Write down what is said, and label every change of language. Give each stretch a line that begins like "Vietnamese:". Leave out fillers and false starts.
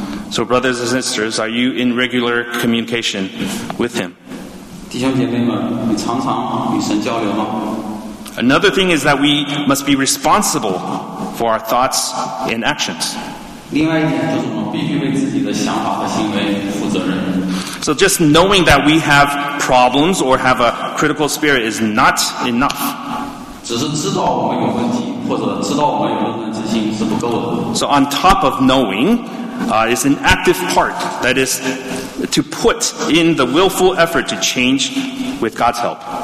English: So brothers and sisters, are you in regular communication with him?
Chinese: 弟兄姐妹们，你常常与神交流吗？
English: Another thing is that we must be responsible for our thoughts and actions.
Chinese: 另外一点就是我们必须为自己的想法和行为负责任。
English: So just knowing that we have problems or have a critical spirit is not enough.
Chinese: 只是知道我们有问题，或者知道我们有论断之心是不够的。
English: So on top of knowing, is an active part, that is, to put in the willful effort to change with God's help.